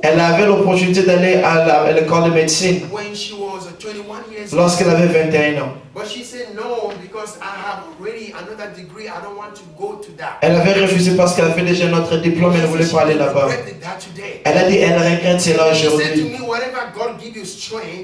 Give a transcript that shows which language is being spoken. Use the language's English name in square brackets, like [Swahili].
[French] Elle avait l'opportunité d'aller à l'école de médecine [English] when she was 21 years old. [French] Lorsqu'elle avait 21 ans. [English] But she said no because I have already another degree. I don't want to go to that. [French] Elle avait refusé parce qu'elle avait déjà un autre diplôme et ne voulait pas aller là-bas. Elle a dit elle regrette cela aujourd'hui. [English] She said to me, whatever God give you strength,